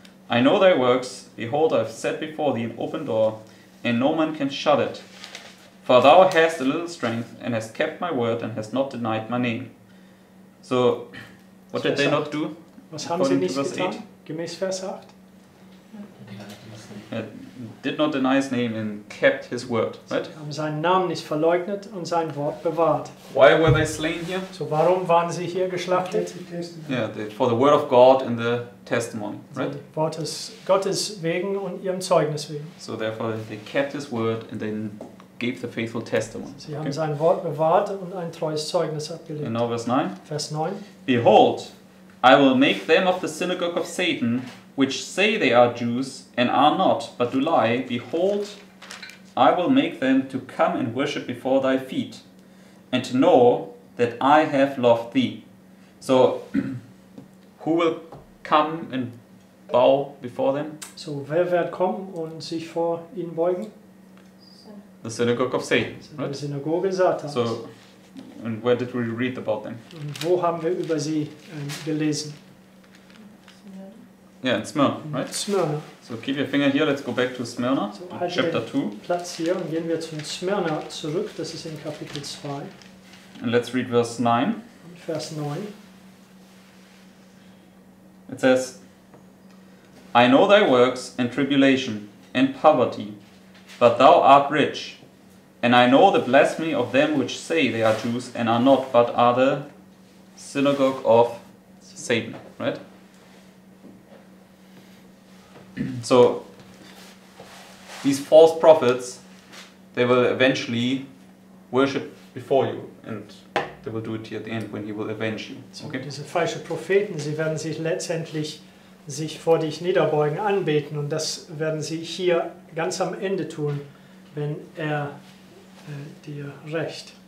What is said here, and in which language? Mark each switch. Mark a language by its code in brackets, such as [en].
[en] I know thy works, behold, I have set before thee an open door, and no man can shut it. For thou hast a little strength, and hast kept my word, and hast not denied my name. So, what did they not do? [de] Was haben sie nicht getan, gemäß Vers 8? [en] Did not deny his name and kept his word, right? [de] Sie haben seinen Namen nicht verleugnet und sein Wort bewahrt. [en] Why were they slain here? [de] So warum waren sie hier geschlachtet? [en] Yeah, for the word of God and the testimony, right? [de] So, Wortes Gottes wegen und ihrem Zeugnis wegen. [en] So therefore they kept his word and then gave the faithful testimony. [de] Sie haben sein Wort bewahrt und ein treues Zeugnis abgelegt. [en] And now verse 9. [de] Vers 9. [en] Behold, I will make them of the synagogue of Satan, which say they are Jews and are not, but do lie. Behold, I will make them to come and worship before thy feet, and to know that I have loved thee. So, who will come and bow before them? [de] So, wer wird kommen und sich vor ihnen beugen? [en] The synagogue of Satan. Right? [de] Die Synagoge Satans. [en] So, and where did we read about them? [de] Und wo haben wir über sie gelesen? [en] Yeah, in Smyrna, right? [de] Smyrna. [en] So keep your finger here, let's go back to Smyrna, [de] so, halt [en] chapter 2. [de] Platz hier und gehen wir zu Smyrna zurück, das ist in Kapitel 2. [en] And let's read verse 9. [de] Vers 9. [en] It says, I know thy works and tribulation and poverty, but thou art rich. And I know the blasphemy of them which say they are Jews and are not, but are the synagogue of Satan, right? So, these false prophets, they will eventually worship before you, and they will do it here at the end when he will avenge you. [de] Okay? So diese falschen Propheten, sie werden sich letztendlich sich vor dich niederbeugen, anbeten, und das werden sie hier ganz am Ende tun, wenn er dir recht.